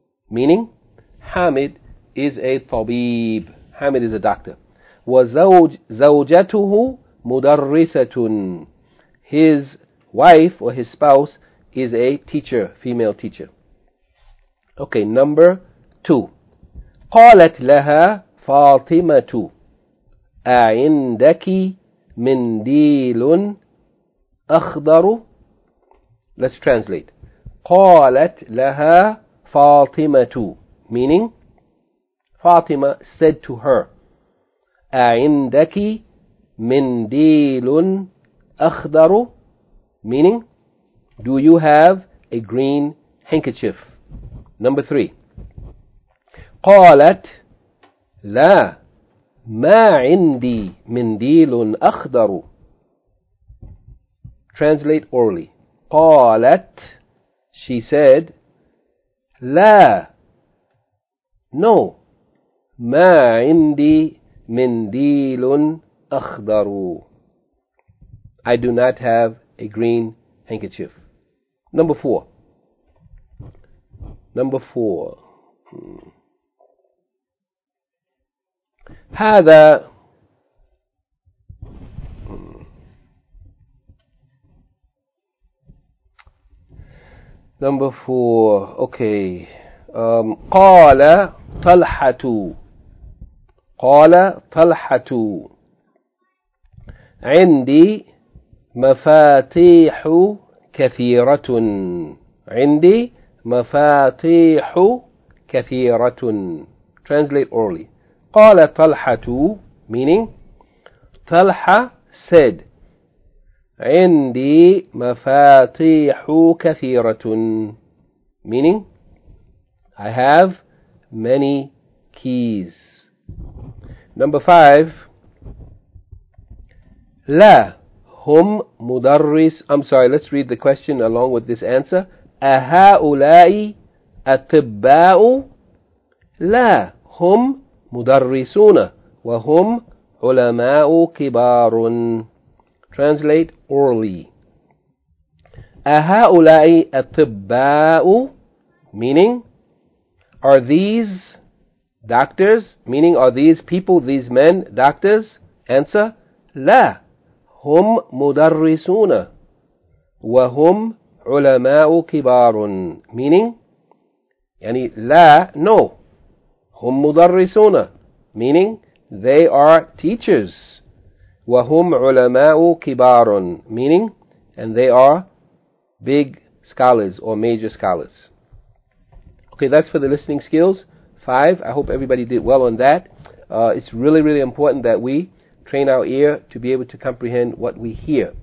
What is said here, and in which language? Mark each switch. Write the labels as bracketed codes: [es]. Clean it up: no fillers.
[en] Meaning, حامد is a طبيب. حامد is a doctor. [ar] زوجته مدرسة. [en] His wife or his spouse is a teacher, female teacher. Okay, number two. [ar] قالت لها فاطمة أعندك منديل أخضر. [en] Let's translate. [ar] قالت لها فاطمة, [en] meaning Fatima said to her, [ar] أعندك منديل أخضر, [en] meaning do you have a green handkerchief? Number three. [ar] قالت لا ما عندي منديل أخضر. [en] Translate orally. [ar] قالت, [en] she said, [ar] لا, [en] no, [ar] ما عندي منديل أخضر. [en] I do not have a green handkerchief. Number four. Number four. هذا Number four. Okay. [ar] قال طلحة. قال طلحة. عندي مفاتيح كثيرة. عندي مفاتيح كثيرة. [en] Translate orally. [ar] قال طلحة, [en] meaning طلحة said, [ar] عندي مفاتيح كثيرة, [en] meaning I have many keys. Number five. [ar] لا هم مدرس. [en] I'm sorry, let's read the question along with this answer. [ar] أهؤلاء أطباء. لا هم مدرسون وهم علماء كبار. [en] Translate orally. [ar] أهؤلاء أطباء, [en] meaning are these doctors, meaning are these people, these men, doctors? Answer, [ar] لا هم مدرسون وهم علماء كبار, [en] meaning [ar] يعني لا, [en] no, [ar] هم مدرسون, [en] meaning they are teachers. [ar] وهم علماء كبار, [en] meaning and they are big scholars or major scholars. Okay, that's for the listening skills. Five, I hope everybody did well on that. It's really, really important that we train our ear to be able to comprehend what we hear.